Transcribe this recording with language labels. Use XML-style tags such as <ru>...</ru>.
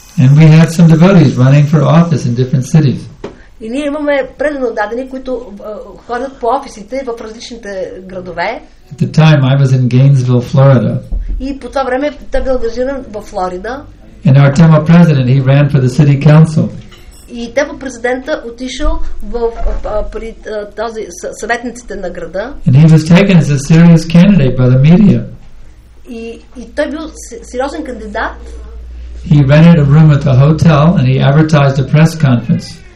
<en>And we had some devotees running for office in different cities.</en> <bg>И ние имаме предано дадени, които ходят по офисите в различните градове.</bg> <en>At the time I was in Gainesville, Florida.</en> <bg>И по това време той бил ангажиран в Флорида.</bg> <en>And our temple president, he ran for the city council.</en> <bg>И темпо президента отишъл в при този съветниците на града.</bg> <en>And he was taken as a serious candidate by the media.</en> <bg>И той бил сериозен кандидат.</bg> <en>He rented a room at the hotel and he advertised a press conference.</en>